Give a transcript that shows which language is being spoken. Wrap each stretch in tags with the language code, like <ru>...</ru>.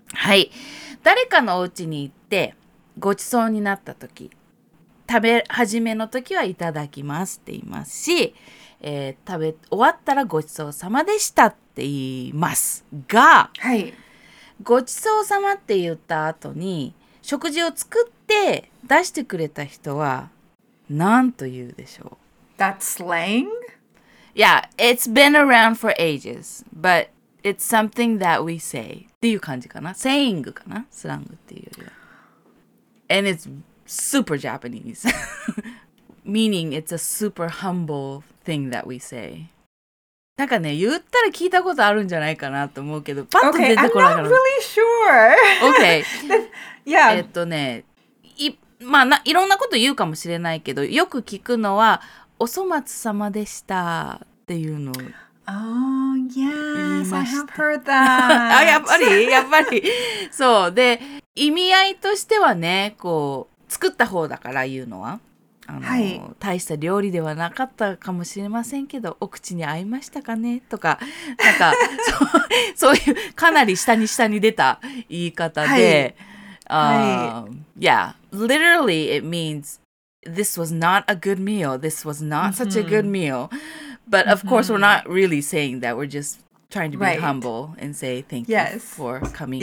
<ja>はい、誰かのお家に行ってごちそうになった時、食べ始めの時はいただきますって言いますし、食べ終わったらごちそうさまでしたって言いますが、はい、ごちそうさまって言った後に食事を作って出してくれた人は何と言うでしょう。</ja> <en>That's slang? Yeah, it's been around for ages, butIt's something that we say.</en> <ja>っていう感じかな。</ja> <en>Saying</en> <ja>かな。スラングっていうよりは。</ja> <en>And it's super Japanese. Meaning it's a super humble thing that we say.</en> <ja>なんかね、言ったら聞いたことあるんじゃないかなと思うけど、パッと出てこないかな。</ja> <en>Okay, I'm not really sure. Okay. Yeah.</en> <ja>ね、いろんなこと言うかもしれないけど、よく聞くのは、お粗末様でしたっていうのを。</ja> <en>Oh, yes, I have heard that.</en> <ja>あ、やっぱり、やっぱり。そう。で、意味合いとしてはね、こう、作った方だから言うのは。はい。大した料理ではなかったかもしれませんけど、お口に合いましたかねとか、なんか、そういう、かなり下に出た言い方で。はい。</ja> <en>Yeah, literally it means, this was not a good meal. This was not such a good meal. But of course, we're not really saying that. We're just trying to be humble and say thank you for coming.</en>